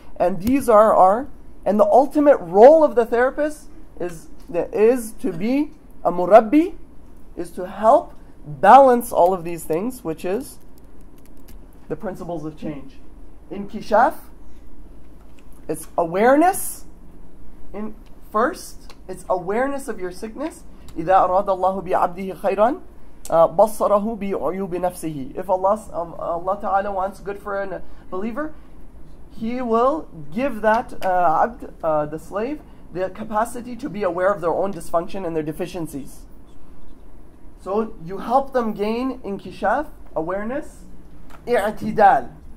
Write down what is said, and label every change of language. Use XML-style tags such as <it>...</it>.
<en>And these are our, and the ultimate role of the therapist is to be a murabbi, is to help balance all of these things, which is the principles of change. In Kishaf, it's awareness. First, it's awareness of your sickness.</en> <ar>إذا أراد الله بعبده خيرا بصره بعيوب نفسه.</ar> <en>If Allah Ta'ala wants good for a believer, He will give that abd, the slave, the capacity to be aware of their own dysfunction and their deficiencies. So you help them gain inkishaf, awareness, i'tidal.</en>